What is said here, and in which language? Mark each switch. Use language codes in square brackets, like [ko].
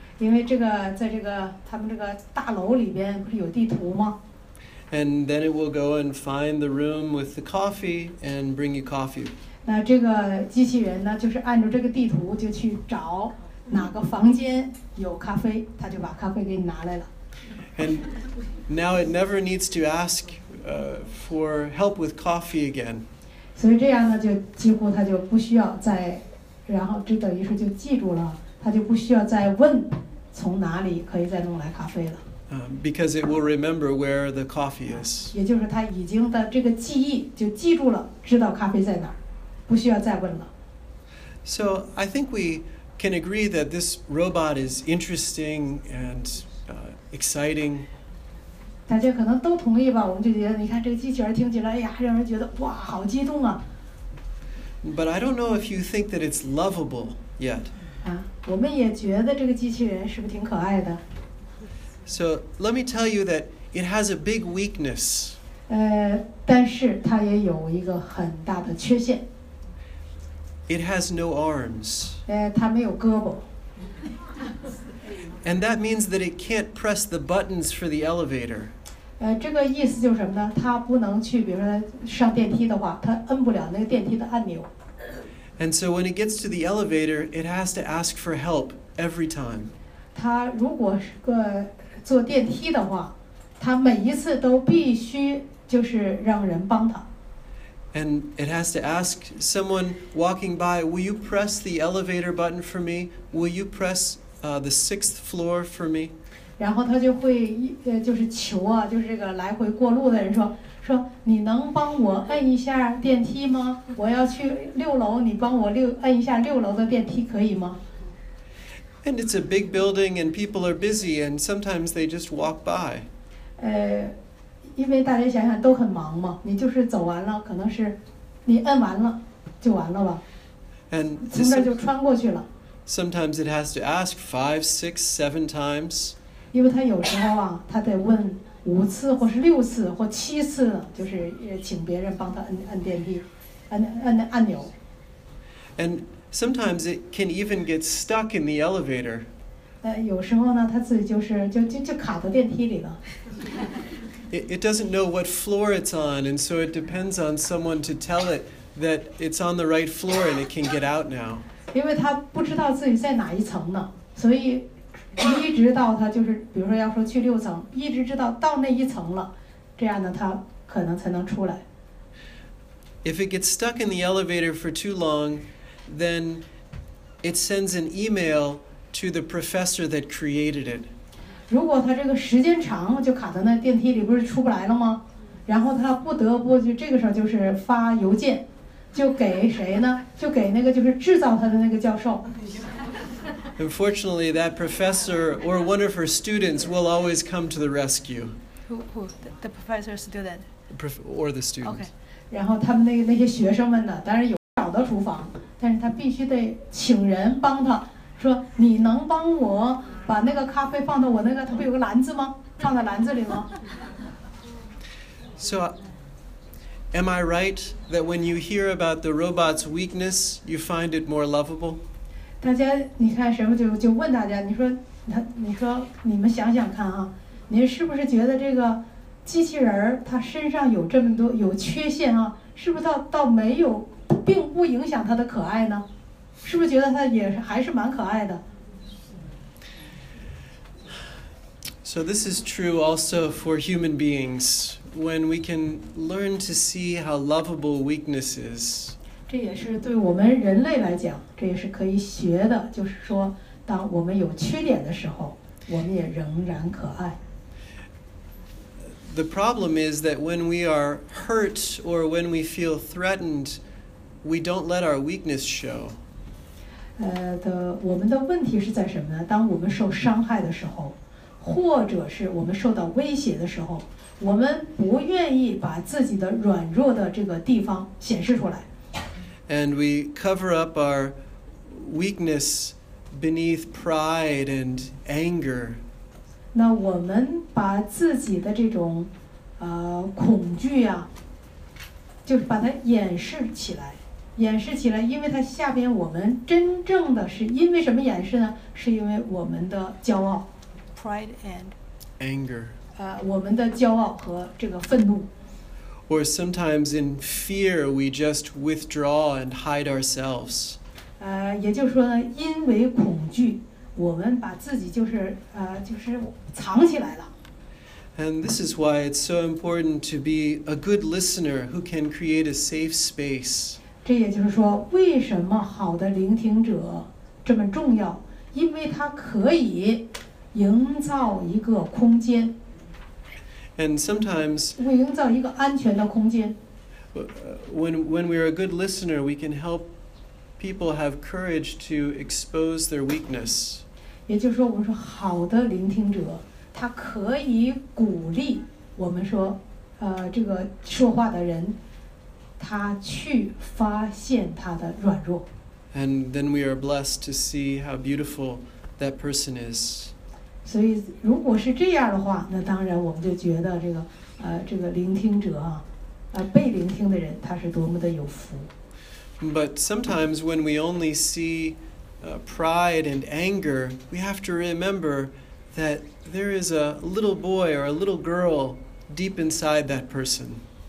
[zh] 因为这个在这个他们这个大楼里边不是有地图吗？ [en] And then it will go and find the room with the coffee and bring you coffee. [zh] 那这个机器人呢，就是按照这个地图就去找。哪个房间有咖啡，他就把咖啡给你拿来了。 [en] And now it never needs to ask for help with coffee again. [zh] 所以这样呢，就几乎他就不需要再，然后这等于是就记住了，他就不需要再问从哪里可以再弄来咖啡了。 [en] Because it will remember where the coffee is. [zh] 也就是他已经的这个记忆就记住了，知道咖啡在哪儿，不需要再问了。 [en] So I think we can agree that this robot is interesting and exciting. [zh] 大家可能都同意吧？我们就觉得，你看这个机器人听起来，哎呀，让人觉得哇，好激动啊！ [en] But I don't know if you think that it's lovable yet. [zh] 啊，我们也觉得这个机器人是不是挺可爱的？ [en] So let me tell you that it has a big weakness. [zh] 但是它也有一个很大的缺陷。 [en] It has no arms. [zh] 它没有胳膊。 [en] And that means that it can't press the buttons for the elevator. [zh] 这个意思就是什么呢？它不能去，比如说上电梯的话，它摁不了那个电梯的按钮。 [en] And so when it gets to the elevator, it has to ask for help every time. [zh] 它如果是个坐电梯的话，他每一次都必须就是让人帮他。 [en] And it has to ask someone walking by, "Will you press the elevator button for me? Will you press the sixth floor for me?" [zh] 然后他就会就是求啊，就是这个来回过路的人说你能帮我摁一下电梯吗？我要去六楼，你帮我摁一下六楼的电梯可以吗？ [en] And it's a big building, and people are busy, and sometimes they just walk by. [zh] 因为大家想想都很忙嘛，你就是走完了，可能是你摁完了就完了吧。 [en] And [zh] 从这就穿过去了。 [en] Sometimes it has to ask 5, 6, 7 times. [zh] 因为他有时候啊，他得问5次，或是6次，或7次，就是请别人帮他摁电梯，摁按钮。 [en] And sometimes it can even get stuck in the elevator. [zh] 有时候呢，它自己就是就卡到电梯里了。 [en] It doesn't know what floor it's on, and so it depends on someone to tell it that it's on the right floor and it can get out now. [zh] 因为它不知道自己在哪一层呢，所以一直到它就是，比如说要说去6层，一直知道到那一层了，这样呢，它可能才能出来。 [en] If it gets stuck in the elevator for too long, then it sends an email to the professor that created it. [zh] 如果他这个时间长就卡在那电梯里，不是出不来了吗？然后他不得不就这个时候就是发邮件，就给谁呢？就给那个就是制造他的那个教授。 [en] Unfortunately, that professor or one of her students will always come to the rescue. Who? The professor student? Or the student. Okay. [zh] 然后他们那些学生们呢，当然有找到厨房。但是他必须得请人帮他，说你能帮我把那个咖啡放到我那个，他不有个篮子吗？放在篮子里吗 [en] ？So, am I right that when you hear about the robot's weakness, you find it more lovable? [zh] 大家，你看什么就问大家，你说你们想想看啊，您是不是觉得这个机器人他身上有这么多有缺陷啊？是不是到没有？并不影响他的可爱呢，是不是觉得他也还是蛮可爱的 [en] ？So this is true also for human beings when we can learn to see how lovable weakness is. [zh] 这也是对我们人类来讲，这也是可以学的。就是说，当我们有缺点的时候，我们也仍然可爱。 The problem is that when we are hurt or when we feel threatened. We don't let our weakness show. 我们的问题是在什么呢？当我们受伤害的时候，或者是我们受到威胁的时候，我们不愿意把自己的软弱的这个地方显示出来。 And we cover up our weakness beneath pride and anger. 那我们把自己的这种恐惧啊，就是把它掩饰起来。掩饰起来，因为它下边我们真正的是因为什么掩饰呢？是因为我们的骄傲 [en] ，pride and anger， [zh] 我们的骄傲和这个愤怒。 [en] Or sometimes in fear we just withdraw and hide ourselves。 [zh] 也就是说呢，因为恐惧，我们把自己就是藏起来了。 [en] And this is why it's so important to be a good listener who can create a safe space. [zh] 这也就是说，为什么好的聆听者这么重要？因为他可以营造一个空间。 [en] And sometimes, [zh] 营造一个安全的空间。 [en] When we are a good listener, we can help people have courage to expose their weakness. [zh] 也就是说，我们说好的聆听者，他可以鼓励我们说，这个说话的人，他去发现他的软弱。 [en] And then we are blessed to see how beautiful that person is. [zh] 所以，如果是这样的话，那当然我们就觉得这个，这个聆听者啊。被聆听的人他是多么的有福。 [en] But sometimes when we only see pride and anger, we have to remember that there is a little boy or a little girl deep inside that person.